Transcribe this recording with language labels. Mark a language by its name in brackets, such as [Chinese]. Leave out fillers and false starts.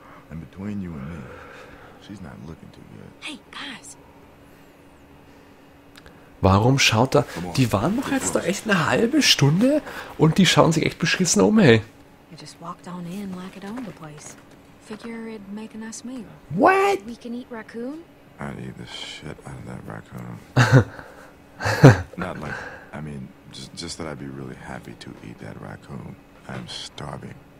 [English] And between you and me, she's not looking too good. Hey, guys! [German] Warum schaut da... Die waren doch jetzt da echt eine halbe Stunde und die schauen sich echt beschissen um, hey. [English] I just walked on in like it owned the place. Figure it'd make a nice meal. What? We can eat raccoon? I'd eat the shit out of that raccoon. Not like... I mean, just that I'd be really happy to eat that raccoon. I'm starving.